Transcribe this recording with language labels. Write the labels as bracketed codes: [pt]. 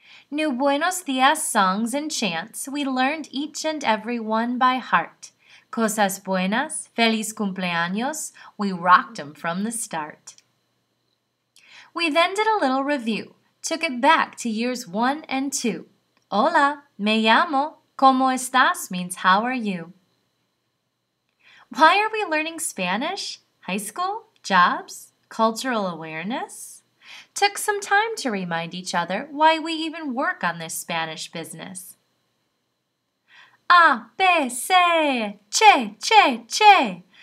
[en] New Buenos Dias songs and chants we learned each and every one by heart. Cosas buenas, feliz cumpleaños, we rocked them from the start. We then did a little review, took it back to years one and two. [es] Hola, me llamo, ¿cómo estás? [en] Means how are you? Why are we learning Spanish? High school? Jobs? Cultural awareness? Took some time to remind each other why we even work on this Spanish business. A, B, C, che, che, che.